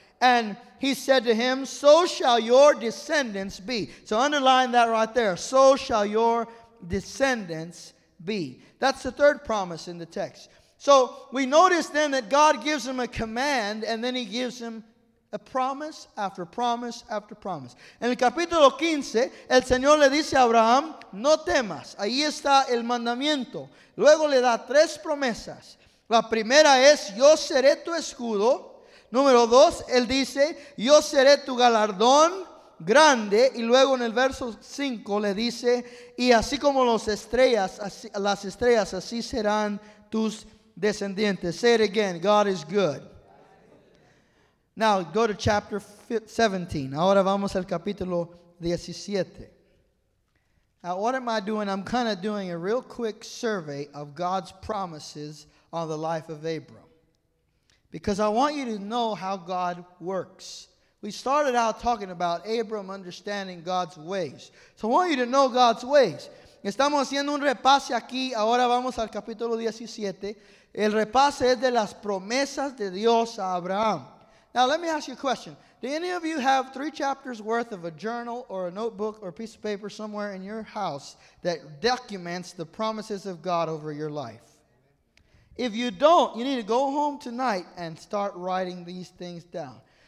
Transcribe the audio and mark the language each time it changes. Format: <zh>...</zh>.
<en>And he said to him, so shall your descendants be. So underline that right there. So shall your descendants be. That's the third promise in the text. So we notice then that God gives him a command, and then he gives him a promise after promise after promise.</en> <es>En el capítulo 15, el Señor le dice a Abraham, no temas. Ahí está el mandamiento. Luego le da tres promesas. La primera es, yo seré tu escudo. Número dos, él dice, yo seré tu galardón grande. Y luego en el verso 5 le dice, y así como las estrellas, así serán tus descendientes.</es> <en>Say it again, God is good. Now go to chapter 17.</en> <es>Ahora vamos al capítulo 17.</es> <en>Now what am I doing? I'm kind of doing a real quick survey of God's promises on the life of Abram. Because I want you to know how God works. We started out talking about Abram understanding God's ways. So I want you to know God's ways.</en> <es>Estamos haciendo un repase aquí. Ahora vamos al capítulo 17. El repase es de las promesas de Dios a Abraham.</es> <en>Now let me ask you a question. Do any of you have three chapters worth of a journal or a notebook or a piece of paper somewhere in your house that documents the promises of God over your life? If you don't, you need to go home tonight and start writing these things down.</en>